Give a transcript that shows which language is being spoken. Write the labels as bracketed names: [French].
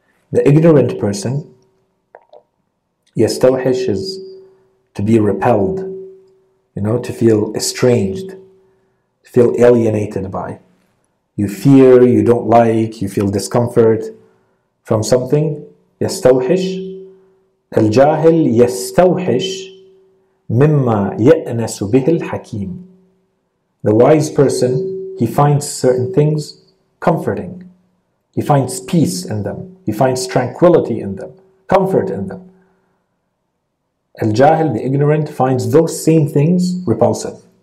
[English] The ignorant person, يستوحش is to be repelled, you know, to feel estranged, to feel alienated by. You fear, you don't like, you feel discomfort from something. يستوحش. [Arabic] الجاهل يستوحش مِمَّا يَأْنَسُ بِهِ الْحَكِيمِ. [English] The wise person, he finds certain things comforting. He finds peace in them. He finds tranquility in them, comfort in them. Al-Jahil, the ignorant, finds those same things repulsive.